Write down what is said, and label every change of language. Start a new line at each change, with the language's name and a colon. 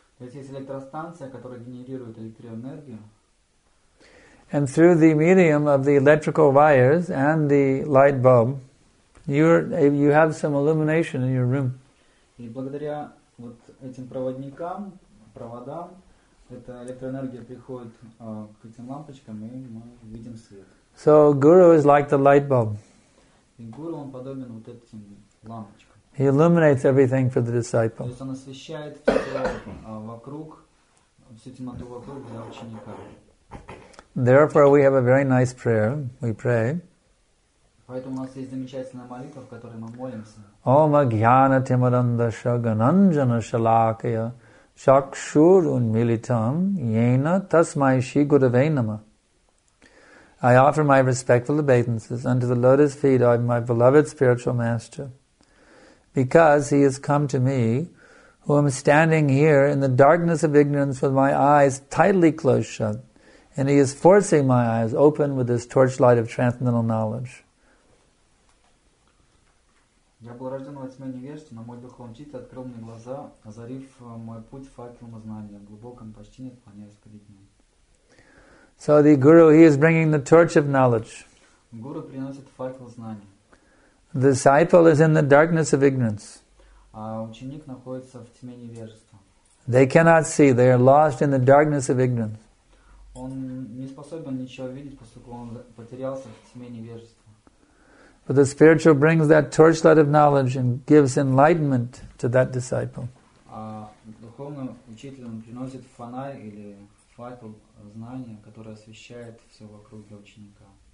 English: And through the medium of the electrical wires and the light bulb, you have some illumination in your room.
Russian: И благодаря вот этим проводникам, проводам, эта электроэнергия приходит к этим лампочкам, и мы видим свет.
English: So Guru is like the light bulb.
Russian: Guru, он подобен вот этим
English: He illuminates everything for the disciple.
Russian: То есть он освещает все вокруг, всю темноту вокруг для ученика.
English: Therefore, we have a very nice prayer. We pray.
Russian: Поэтому у нас есть замечательная молитва, в которой мы молимся.
Sanskrit: Ома гьяна тимаранда шагананджана шалакая шакшур унмилитам йена тасмай ши гурве нама.
English: I offer my respectful obeisances unto the lotus feet of my beloved spiritual master, because he has come to me, who am standing here in the darkness of ignorance with my eyes tightly closed shut, and he is forcing my eyes open with this torchlight of transcendental knowledge.
Russian: Я был рожден во тьме невежества, но мой духовный учитель открыл мне глаза, озарив мой путь факелом знания, в глубоком почтении склоняясь перед ним.
English: So the guru, he is bringing the torch of knowledge.
Russian: Guru приносит факел знания.
English: The disciple is in the darkness of ignorance.
Russian: А ученик находится в тьме невежества.
English: They cannot see. They are lost in the darkness of ignorance.
Russian: Он не способен ничего видеть, поскольку он потерялся в тьме невежества.
English: But the spiritual brings that torchlight of knowledge and gives enlightenment to that disciple.
Russian: А духовный учитель он приносит фонарь или факел знания, которое освещает все вокруг для ученика.